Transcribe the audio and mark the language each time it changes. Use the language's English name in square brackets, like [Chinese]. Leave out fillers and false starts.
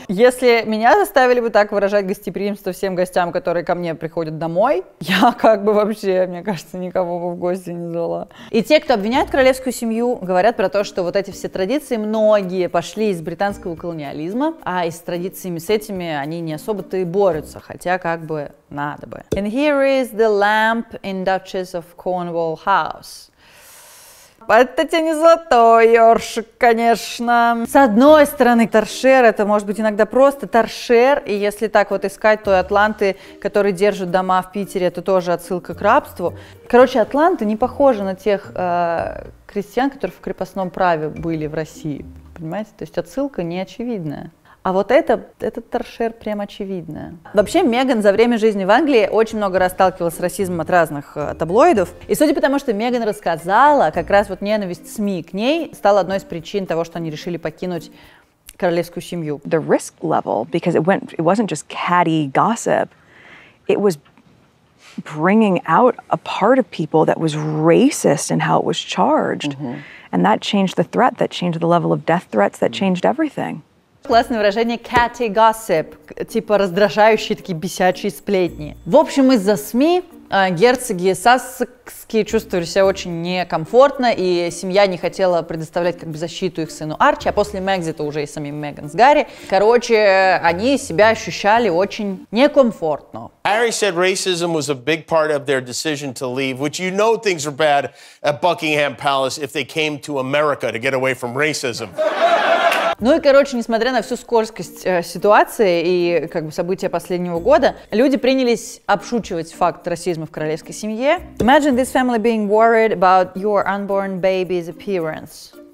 [Russian] Если меня заставили бы так выражать гостеприимство всем гостям, которые ко мне приходят домой, я как бы вообще, мне кажется, никого бы в гости не звала. И те, кто обвиняют королевскую семью, говорят про то, что вот эти все традиции многие пошли из британского колониализма, а и с традициями с этими они не особо-то и борются, хотя как бы надо бы. [English] And here is the lamp in Duchess of Cornwall House. [Russian] Это тебе не золотой ёршик, конечно. С одной стороны, торшер, это может быть иногда просто торшер. И если так вот искать, то и атланты, которые держат дома в Питере, это тоже отсылка к рабству. Короче, атланты не похожи на тех крестьян, которые в крепостном праве были в России. Понимаете? То есть отсылка не очевидная. А вот этот торшер прям очевидно. Вообще, Меган за время жизни в Англии очень много раз сталкивалась с расизмом от разных таблоидов. И судя по тому, что Меган рассказала, как раз вот ненависть СМИ к ней стала одной из причин того, что они решили покинуть королевскую семью. [English] The risk level, because it wasn't just catty gossip, it was bringing out a part of people that was racist in how it was charged. Mm-hmm. And that changed the threat, that changed the level of death threats, that changed everything. [Russian] Классное выражение catty gossip, типа раздражающие такие бесячие сплетни. В общем, из-за СМИ герцоги сассекские чувствовали себя очень некомфортно, и семья не хотела предоставлять как бы защиту их сыну Арчи, а после Мэгзита уже и самим Меган с Гарри. Короче, они себя ощущали очень некомфортно. [English] Harry said racism was a big part of their decision to leave, which you know things were bad at Buckingham Palace if they came to America to get away from racism. [Russian] Ну и, короче, несмотря на всю скользкость ситуации и как бы события последнего года, люди принялись обшучивать факт расизма в королевской семье. [English] Imagine this family being worried about your unborn baby's appearance.